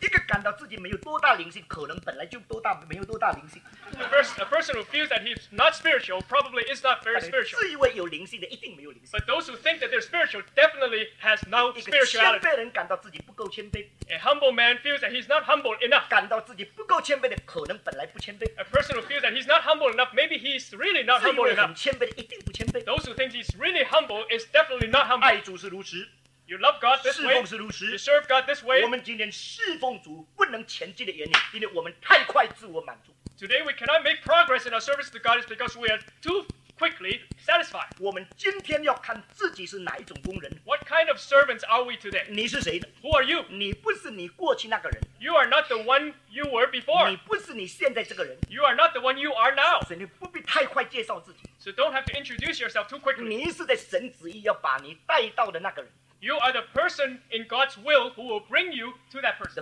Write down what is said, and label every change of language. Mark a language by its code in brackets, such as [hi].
[zh] 一个感到自己没有多大灵性， 可能本来就多大，没有多大灵性。 [en] A person who feels that he's not spiritual probably is not very spiritual. [zh] 自以为有灵性的一定没有灵性。 [en] But those who think that they're spiritual definitely has no spirituality. [zh] 一个谦卑人感到自己不够谦卑。 [en] A humble man feels that he's not humble enough. [zh] 感到自己不够谦卑的， 可能本来不谦卑。 [en] A person who feels that he's not humble enough, maybe he's really not humble enough. [zh] 自以为很谦卑的一定不谦卑。 [en] Those who think he's really humble is definitely not humble. [zh] 爱主是如此。 [en] You love God this way. [zh] 侍奉是如此。 [en] You serve God this way. [zh] 我们今天侍奉主不能前进的原因， 因为我们太快自我满足。 [en] Today we cannot make progress in our service to God is because we are too quickly satisfied. [zh] 我们今天要看自己是哪一种工人。 [en] What kind of servants are we today? [zh] 你是谁呢? [en] Who are you? [zh] 你不是你过去那个人。 [en] You are not the one you were before. [zh] 你不是你现在这个人。 [en] You are not the one you are now. [zh] 所以你不必太快介绍自己。 [en] So don't have to introduce yourself too quickly. [zh] 你是在神旨意要把你带到的那个人。 [en] You are the person in God's will who will bring you to that person.